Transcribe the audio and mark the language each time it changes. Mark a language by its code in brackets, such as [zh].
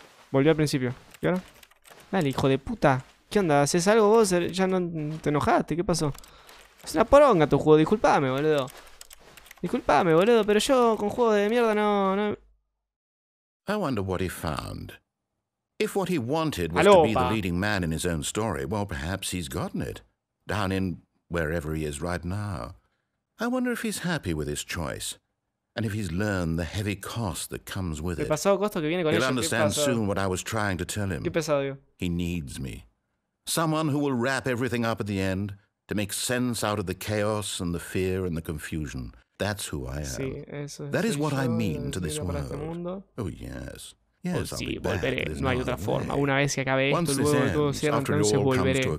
[es] Volvió al principio. ¿Y ahora? Dale, hijo de puta. ¿Qué onda? ¿Haces algo vos? ¿Ya no te enojaste? ¿Qué pasó? Es una poronga tu juego, disculpame, boludo. Disculpame, boludo, pero yo con juegos de mierda no. [en] I wonder what he found. If what he wanted was to be the leading man in his own story, well, perhaps he's gotten it. Down in wherever he is right now. I wonder if he's happy with his choice. And if he's learned the heavy cost that comes with it. He'll understand soon what I was trying to tell him. He needs me. Someone who will wrap everything up at the end to make sense out of the chaos and the fear and the confusion. That's who I am. That is what I mean to this world. Oh, yes. [es] Sí, volveré, no hay otra forma. Una vez que acabe esto, luego de todo cierre, entonces volveré.